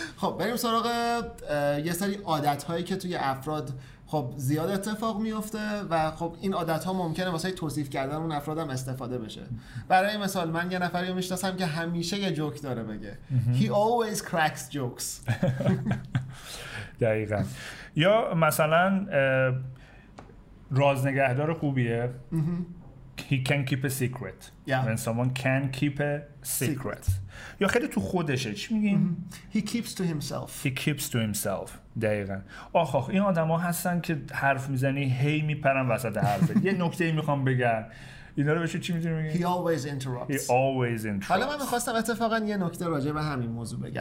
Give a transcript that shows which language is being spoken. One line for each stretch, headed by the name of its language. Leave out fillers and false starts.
Persian: خب بریم سراغ یه سری عادت‌هایی که توی افراد خب زیاد اتفاق میفته و خب این عادت ها ممکنه واسه توصیف کردن اون افراد هم استفاده بشه. برای مثال من یه نفری رو میشناسم که همیشه یه جوک داره بگه.
English: He always cracks jokes.
Persian: دقیقا. یا مثلا رازنگهدار خوبیه.
English: He can keep a secret. When someone can keep a secret.
Persian: یا خیلی تو خودشه، چی میگیم؟
English: He keeps to himself. He keeps to himself. دقیقا.
Persian: آخ آخ، این آدم ها هستن که حرف میزنی هی میپرن وسط حرفه. یه نکته ای میخوام بگن، اینا رو بشه چی میتونی بگن؟
English: He always interrupts.
Persian: حالا من میخواستم اتفاقا یه نکته راجع به همین موضوع بگم.